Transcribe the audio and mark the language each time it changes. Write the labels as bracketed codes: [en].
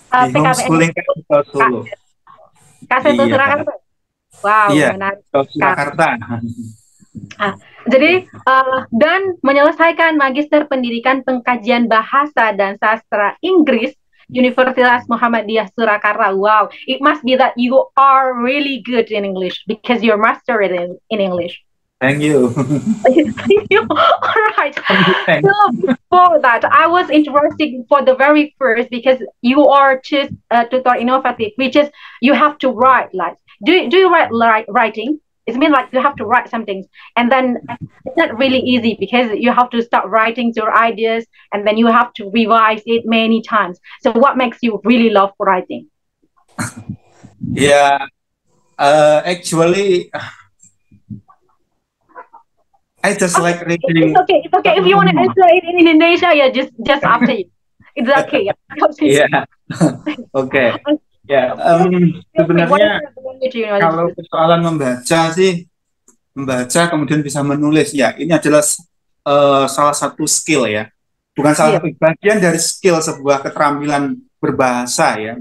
[id] di homeschooling kan di Solo. Kak Seto Iya, Surakarta. Kak. [en] Wow, [id] Iya, menarik. Solo Surakarta. Nah, jadi dan menyelesaikan Magister Pendidikan Pengkajian Bahasa dan Sastra Inggris Universitas Muhammadiyah Surakarta. [en] Wow, it must be that you are really good in English because you're master in English. Thank you. All right. Thank you. Thank So before that, I was interested for the very first because you are just a tutor innovative, which is you have to write like do you write writing? It means like you have to write some things, and then it's not really easy because you have to start writing your ideas, and then you have to revise it many times. So what makes you really love writing? Yeah, actually. I just like reading. It's okay. If you want to answer it in Indonesia, yeah, just after you. It's okay. Yeah. Oke. Ya. [id] Sebenarnya kalau persoalan membaca sih, membaca kemudian bisa menulis, ya ini adalah salah satu skill ya. Bukan salah satu bagian dari skill sebuah keterampilan berbahasa ya.